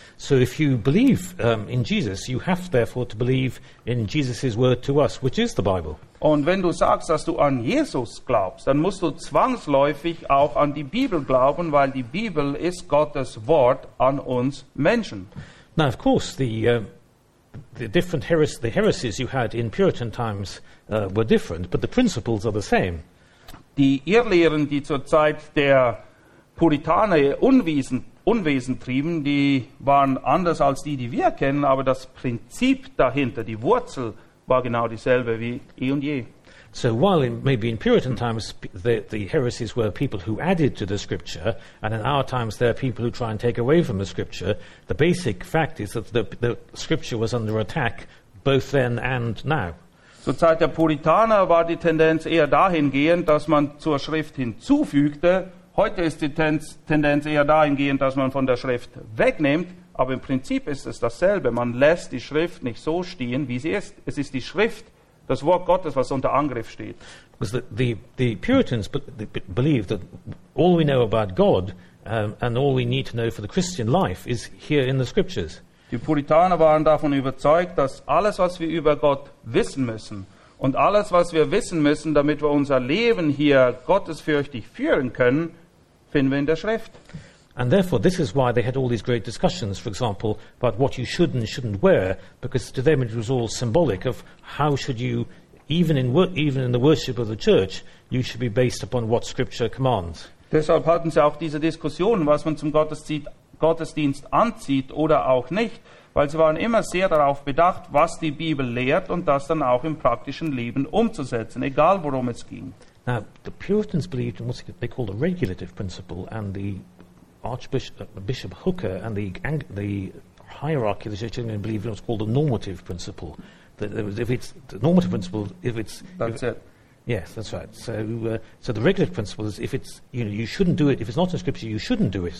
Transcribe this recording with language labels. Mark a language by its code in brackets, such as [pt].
[en] So if you believe in Jesus, you have therefore to believe in Jesus' word to us, which is the Bible. [de] Und wenn du sagst, dass du an Jesus glaubst, dann musst du zwangsläufig auch an die Bibel glauben, weil die Bibel ist Gottes Wort an uns Menschen. [en] Now, of course, the different heresies you had in Puritan times were different, but the principles are the same. [de] Die Irrlehren, die zur Zeit der Puritaner Unwesen trieben, die waren anders als die, die wir kennen, aber das Prinzip dahinter, die Wurzel, war genau dieselbe wie eh und je. [en] So while in, maybe in Puritan times the heresies were people who added to the scripture, and in our times there are people who try and take away from the scripture, the basic fact is that the scripture was under attack both then and now. [de] Zur Zeit der Puritaner war die Tendenz eher dahingehend, dass man zur Schrift hinzufügte. Heute ist die Tendenz eher dahingehend, dass man von der Schrift wegnimmt, aber im Prinzip ist es dasselbe. Man lässt die Schrift nicht so stehen, wie sie ist. Es ist die Schrift, das Wort Gottes, was unter Angriff steht. [en] Because the Puritans believed that all we know about God and all we need to know for the Christian life is here in the Scriptures. [de] Die Puritaner waren davon überzeugt, dass alles, was wir über Gott wissen müssen, und alles, was wir wissen müssen, damit wir unser Leben hier gottesfürchtig führen können, finden wir in der Schrift. [en] And therefore, this is why they had all these great discussions, for example, about what you should and shouldn't wear, because to them it was all symbolic of how should you, even in the worship of the church, you should be based upon what Scripture commands. [de] Deshalb hatten sie auch diese Diskussionen, was man zum Gottesdienst anzieht oder auch nicht. Weil sie waren immer sehr darauf bedacht, was die Bibel lehrt und das dann auch im praktischen Leben umzusetzen, egal worum es ging. [en] Now, the Puritans believed in what they called a regulative principle, and the Archbishop Hooker and the hierarchy of the Church of England believed in what's called a normative principle. That if it's the normative principle, if it's that's if, it. Yes, that's right. So the regulative principle is if it's you know you shouldn't do it if it's not in Scripture you shouldn't do it.